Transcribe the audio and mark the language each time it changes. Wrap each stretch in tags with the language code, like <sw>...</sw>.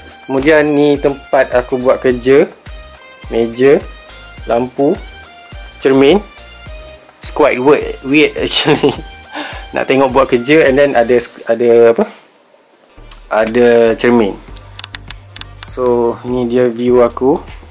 <ms>Kemudian ni tempat aku buat kerja. Meja, lampu, cermin.</ms> <en>It's quite weird actually.</en> <ms>Nak tengok buat kerja</ms> <en>and then</en> <ms>ada apa? Ada cermin. So, ini dia view aku.</ms>